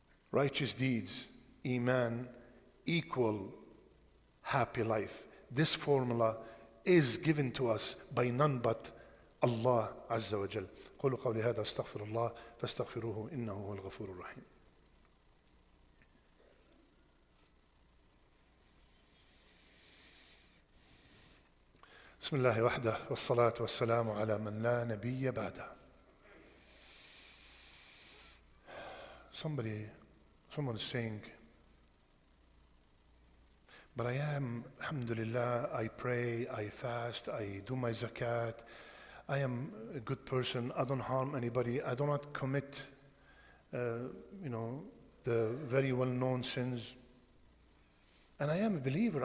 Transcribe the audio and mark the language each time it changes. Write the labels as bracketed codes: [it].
[en] Righteous deeds, iman, equal happy life. This formula is given to us by none but Allah Azza wa Jal. [ar] قولوا قولي هذا استغفر الله فاستغفروه إنه هو الغفور الرحيم. بسم الله وحده والصلاة والسلام على من لا نبي بعده. [en] Someone is saying, but I am, alhamdulillah, I pray, I fast, I do my zakat, I am a good person. I don't harm anybody. I do not commit, the very well-known sins. And I am a believer.